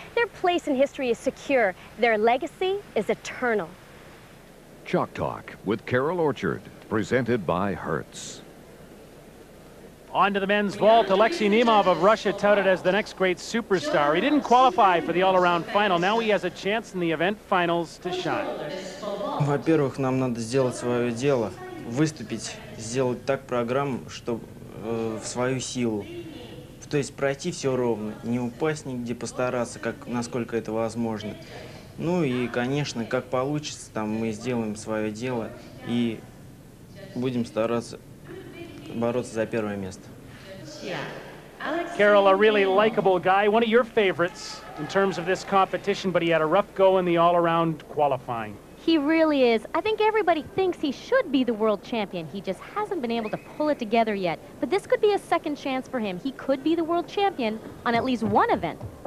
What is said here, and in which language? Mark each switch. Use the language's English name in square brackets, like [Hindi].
[English] Their place in history is secure. Their legacy is eternal. Chalk Talk with Carol Orchard, presented by Hertz. On to the men's vault. Alexei Nemov of Russia touted as the next great superstar. He didn't qualify for the all-around final. Now he has a chance in the event finals to shine. [Russian] Во-первых, нам надо сделать свое дело, выступить, сделать так программу, чтобы в свою силу. То есть пройти все ровно, не упасть нигде, постараться, как насколько это возможно. Ну и, конечно, как получится, там мы сделаем свое дело и будем стараться бороться за первое место. [English] Carol, a really likable guy, one of your favorites in terms of this competition, but he had a rough go in the all-around qualifying. He really is. I think everybody thinks he should be the world champion. He just hasn't been able to pull it together yet. But this could be a second chance for him. He could be the world champion on at least one event.